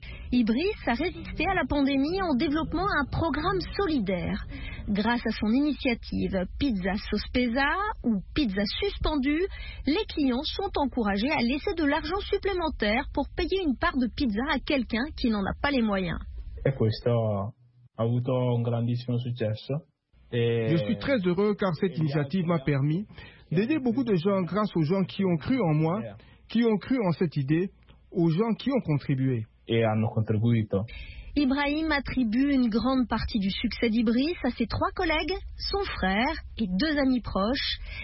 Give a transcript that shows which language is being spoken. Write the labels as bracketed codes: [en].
[fr] Ibris a résisté à la pandémie en développant un programme solidaire. Grâce à son initiative Pizza Sospesa ou Pizza Suspendue, les clients sont encouragés à laisser de l'argent supplémentaire pour payer une part de pizza à quelqu'un qui n'en a pas les moyens. [it] Et questo ha avuto un grandissimo successo. [fr] Je suis très heureux car cette initiative m'a permis d'aider beaucoup de gens grâce aux gens qui ont cru en moi, qui ont cru en cette idée, aux gens qui ont contribué. [it] Et hanno contribuito. [fr] Ibrahim attribue une grande partie du succès d'Ibris à ses trois collègues, son frère et deux amis proches.